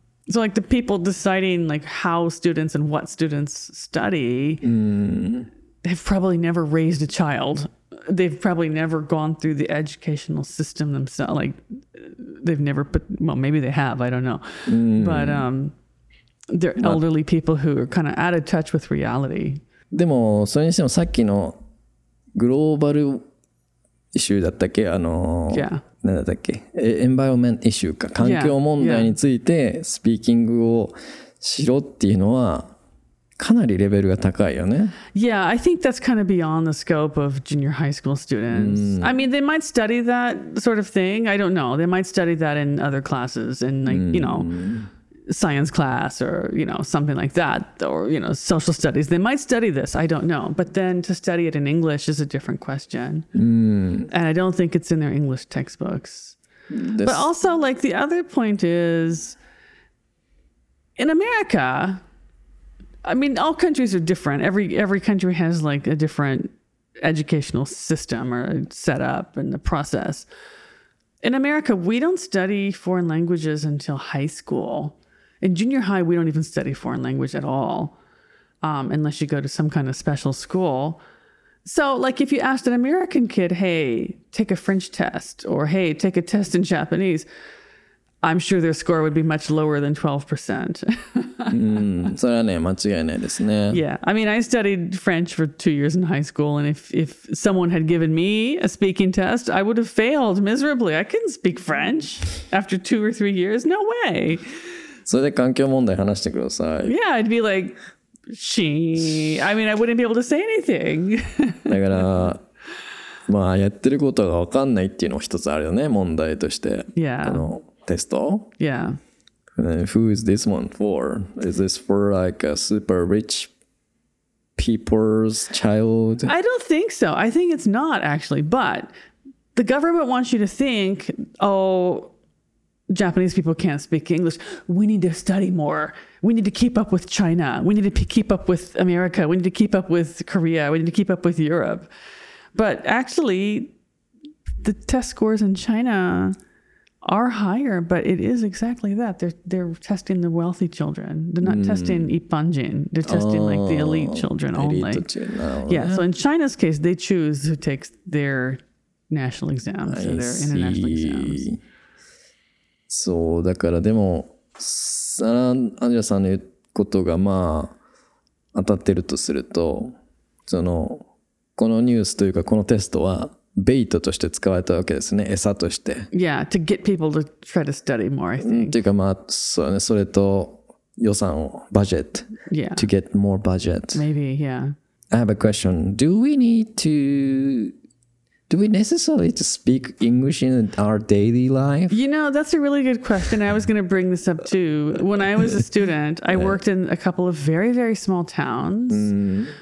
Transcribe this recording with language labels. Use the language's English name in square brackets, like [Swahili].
[English] So like the people deciding like how students and what students study, they've probably never raised a child. They've probably never gone through the educational system themselves. Like they've never put, well, maybe they have, I don't know. But they're elderly people who are kind of out of touch with reality. [Japanese] でもそれにしてもさっきのグローバルイシューだったっけ、 [English] yeah. [Japanese] なんだったっけ、エンバイロメントイシューか、環境問題についてスピーキングをしろっていうのはかなりレベルが高いよね。 [English] Yeah, I think that's kind of beyond the scope of junior high school students. I mean, they might study that sort of thing. I don't know. They might study that in other classes and like, you know,science class or, you know, something like that, or, you know, social studies. They might study this, I don't know. But then to study it in English is a different question. And I don't think it's in their English textbooks. But also, like, the other point is, in America, I mean, all countries are different. Every country has, like, a different educational system or setup and the process. In America, we don't study foreign languages until high school. In junior high, we don't even study foreign language at all, unless you go to some kind of special school. So, like, if you asked an American kid, hey, take a French test, or hey, take a test in Japanese, I'm sure their score would be much lower than 12%. [Japanese] それはね、間違いないですね。 [English] Yeah. I mean, I studied French for 2 years in high school, and if someone had given me a speaking test, I would have failed miserably. I couldn't speak French after 2 or 3 years. No way. [Japanese] それで環境問題話してください。 [English] Yeah, I'd be like, she. I mean, I wouldn't be able to say anything. [Japanese] だから、まあやってることが分かんないっていうのも一つあるよね、問題として。 [English] Yeah. [Japanese] このテスト。 [English] Yeah. And then, who is this one for? Is this for like a super rich people's child? I don't think so. I think it's not actually. But the government wants you to think, oh. Japanese people can't speak English. We need to study more. We need to keep up with China. We need to keep up with America. We need to keep up with Korea. We need to keep up with Europe. But actually, the test scores in China are higher, but it is exactly that. They're testing the wealthy children. They're not testing 一般人. They're testing like the elite children only. Elite children. Yeah, so in China's case, they choose who takes their national exams or their international exams. [Japanese] そうだからでもアンジャさんの言うことがまあ当たってるとするとそのこのニュースというかこのテストはベイトとして使われたわけですね餌として [English] Yeah, to get people to try to study more, I think [Japanese] というかまあ そうね、それと予算をバジェット [English] Yeah To get more budget Maybe, yeah I have a question. Do we necessarily to speak English in our daily life? You know, that's a really good question. I was going to bring this up too. When I was a student, I worked in a couple of very, very small towns. Mm.